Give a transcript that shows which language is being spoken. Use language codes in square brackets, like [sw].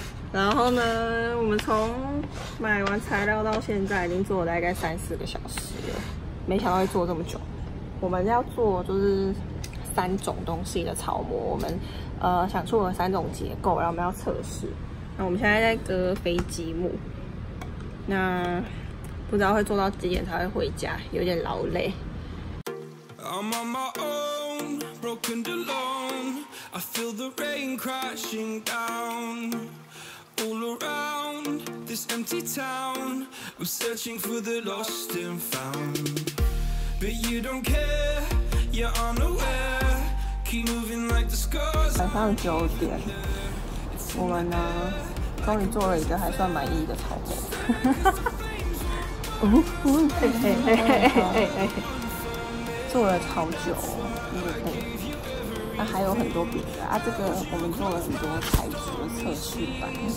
[zh] 然后呢，我们从买完材料到现在，已经做了大概三四个小时了。没想到会做这么久。我们要做就是三种东西的草模，我们想出了三种结构，然后我们要测试。那我们现在在割飞机木，那不知道会做到几点才会回家，有点劳累。 [en] I'm on my own, broken alone. I feel the rain crashing down. All around this empty town, I'm searching for the lost and found. But you don't care, you're unaware. Keep moving like the scars. [zh] 晚上九点，我们呢，终于做了一个还算满意的草莓。做了超久，那个可以。那还有很多别的啊，这个我们做了很多材质的测试版。